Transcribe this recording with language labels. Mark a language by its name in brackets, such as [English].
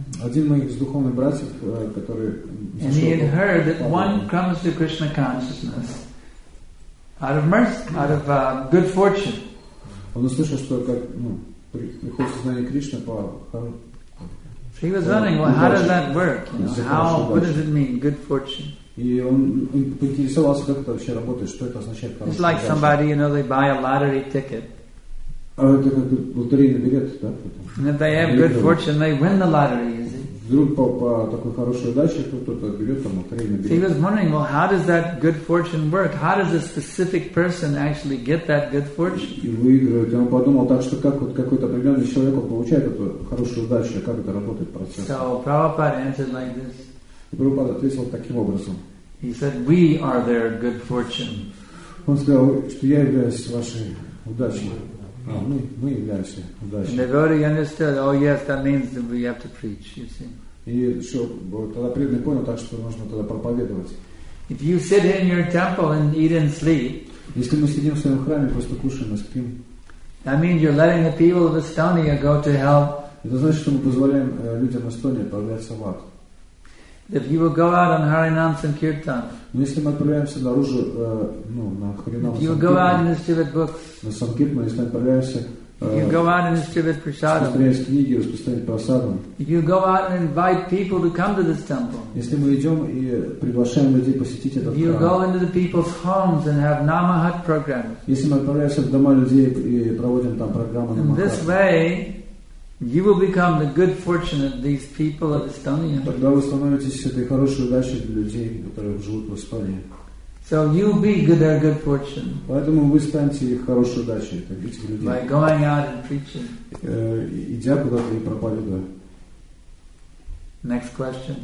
[Russian] Один моих духовных братьев, который. [English] And he had heard that one comes to Krishna consciousness out of mercy, out of good fortune. [Russian] Он услышал, что как приходит сознание Кришны по. [English] He was wondering, well, how does that work? What does it mean, good fortune? [Russian] И он поинтересовался, как это вообще работает, что это означает. [English] It's like somebody, they buy a lottery ticket. [Russian] А это как лотерейный билет, да? [English] And if they have good fortune, they win the lottery, is it? [Russian] Вдруг по такой хорошей удаче кто-то берет там лотерейный билет. [English] He was wondering, well, how does that good fortune work? How does a specific person actually get that good fortune? [Russian] И выигрывает. И он подумал, так что как вот какой-то определенный человек получает эту хорошую удачу, как это работает процесс? [English] So Prabhupada answered like this. [Russian] Прабхупада ответил таким образом. [English] He said, we are their good fortune. [Russian] Он сказал, что я являюсь вашей удачей. Мы являемся удачей. [English] The devotee understood, oh yes, that means that we have to preach, you see. [Russian] И что, тогда преданный понял, так что нужно тогда проповедовать. [English] If you sit in your temple and eat and sleep, [Russian] если мы сидим в своем храме, просто кушаем и спим, [English] that means you're letting the people of Estonia go to hell. [Russian] Это значит, что мы позволяем людям Эстонии отправляться в ад. [English] If you will go out on Harinam Sankirtan, [Russian] если мы отправляемся наружу, на Харинам Санкиртан, на Санкиртан, если мы отправляемся, распространяясь книги, распространяясь просадам, если мы идем и приглашаем людей посетить этот храм, [English] go into the people's homes and have Namahat programs, [Russian] если мы отправляемся в дома людей и проводим там программы Намахат, [English] in this way, you will become the good fortune of these people of Estonia. [Russian] Тогда вы становитесь этой хорошей удачей для людей, которые живут в Эстонии. [English] So you will be their good fortune. [Russian] Поэтому вы станете их хорошей удачей для этих людей. [English] By going out and preaching. [Russian] Идя куда-то и проповедуя. [English] Next question.